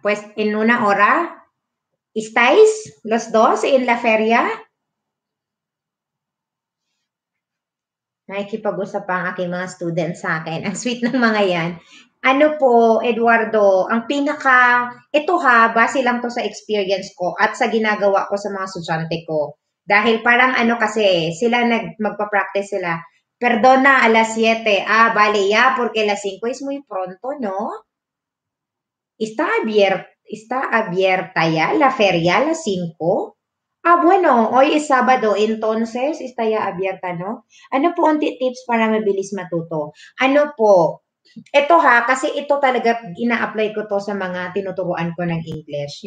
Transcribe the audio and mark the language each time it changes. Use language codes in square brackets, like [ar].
[es] Pues en una hora, ¿estáis los dos en la feria? [tl] Nakikipag-usap ang aking mga students sa akin. Ang sweet ng mga yan. Ano po, Eduardo, ang pinaka, ito ha, base lang to sa experience ko at sa ginagawa ko sa mga estudyante ko. Dahil parang ano kasi, sila magpa-practice sila. [es] Perdona, alas 7. Ah, vale, ya, porque las 5 es muy pronto, no? ¿Está abierta ya la feria a las 5? Ah, bueno, hoy es Sábado, entonces, está ya abierta, ¿no? [tl] Ano po ang tips para mabilis matuto? Ano po, ito ha, kasi ito talaga, ina-apply ko to sa mga tinuturuan ko ng English.